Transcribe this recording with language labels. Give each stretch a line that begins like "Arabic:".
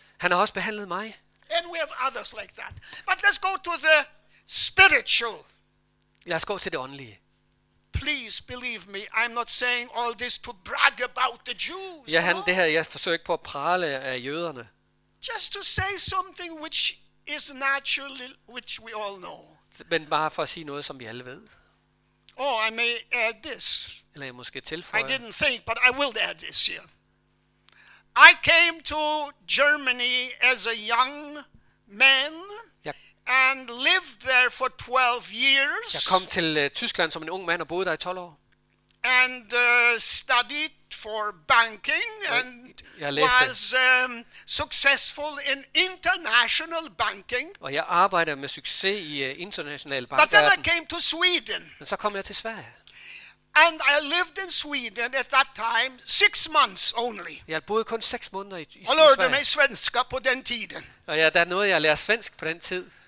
Danish: Han har også behandlet mig.
English: And we have others like that. But let's go to the spiritual.
Danish: Lad os gå til det åndelige.
English: Please believe me, I'm not saying all this to brag about the Jews.
Danish: Ja, han, det her, jeg forsøger ikke på at prale af jøderne.
English: Just to say something which is natural, which we all know.
Danish: Men bare for at sige noget, som vi alle ved.
English: Oh, I may add this.
Danish: Eller jeg måske tilføjer.
English: I didn't think, but I will add this here. I came to Germany as a young man. And lived there for 12 years.
Danish: Jeg kom til Tyskland som en ung mand og boede der i 12 år.
English: And studied for banking and was successful in international banking.
Danish: Og jeg arbejdede med succes i international bank.
English: But then I came to Sweden.
Danish: Men så kom jeg til Sverige.
English: And I lived in Sweden at that time 6 months only.
Danish: Jeg boede kun 6 måneder i Sverige. Og lærte mig svensk på den tiden. Og ja, der er noget, jeg lærte svensk på den tid.